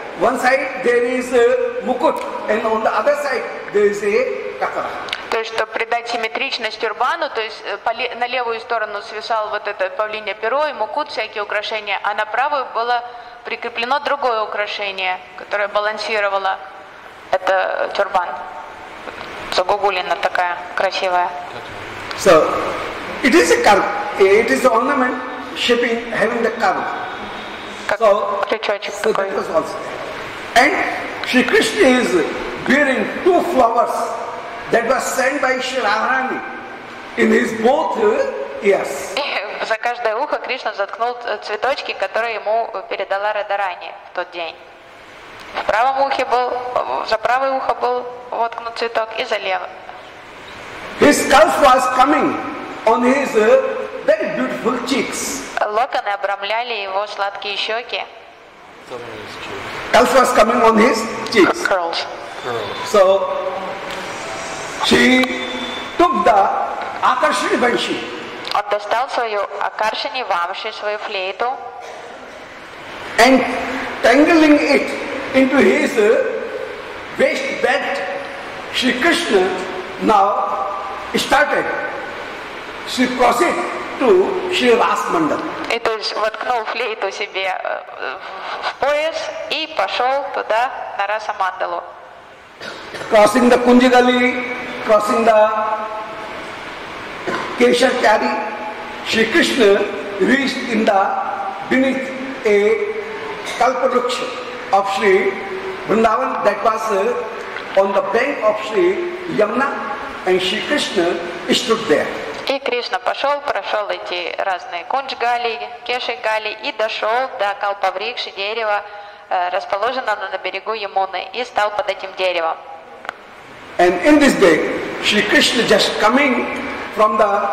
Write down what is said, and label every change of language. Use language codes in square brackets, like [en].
[en] One side there is a mukut and on the other side there is a katara. [ru] То есть, чтобы придать симметричность тюрбану, то есть на левую сторону свисал вот это павлинье перо и мукут, всякие украшения, а на правую было прикреплено другое украшение, которое балансировало это тюрбан. Загугулина такая красивая. [en] So, it is a curve. It is the ornament shaping, having the curve. [ru] Как крючочек такой. [en] And Shri Krishna is bearing two flowers that was sent by Shri Radharani in his both ears. [ru] За каждое ухо Кришна заткнул цветочки, которые ему передала Радарани в тот день. В правом ухе был, за правое ухо был воткнут цветок и за левое. [en] His scalp was coming on his very beautiful cheeks. [ru] Локоны обрамляли его сладкие щеки. [en] Scalp was coming on his cheeks. Curls. So she took the Akarshini Banshi. [ru] Он достал свою Акаршини Вамши, свою флейту. [en] And tangling it into his waist belt, Shri Krishna now started. She crossed it to Shri Ras Mandal. [ru] И то есть воткнул флейту себе в пояс и пошел туда, на Раса Мандалу. [en] Crossing the Kunji Gali, crossing the Keshar Kari, Shri Krishna reached in the beneath a Kalpavruksha of Shri Vrindavan that was on the bank of Shri Yamuna, and Shri Krishna stood there. [ru] И Кришна пошел, прошел эти разные кунджгали, кешигали и дошел до калпаврикши дерева, расположенного на берегу Ямуны, и стал под этим деревом. [en] And in this day, Shri Krishna just coming from the